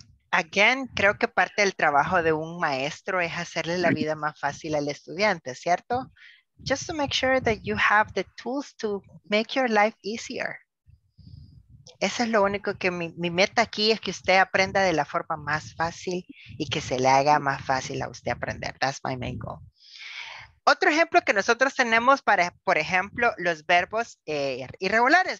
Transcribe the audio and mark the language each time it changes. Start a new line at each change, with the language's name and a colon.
Spanish: Again, creo que parte del trabajo de un maestro es hacerle la vida más fácil al estudiante, ¿cierto?
English: Just to make sure that you have the tools to make your life easier.
Spanish: Eso es lo único que mi meta aquí es que usted aprenda de la forma más fácil y que se le haga más fácil a usted aprender.
English: That's my main goal.
Spanish: Otro ejemplo que nosotros tenemos para, por ejemplo, los verbos irregulares.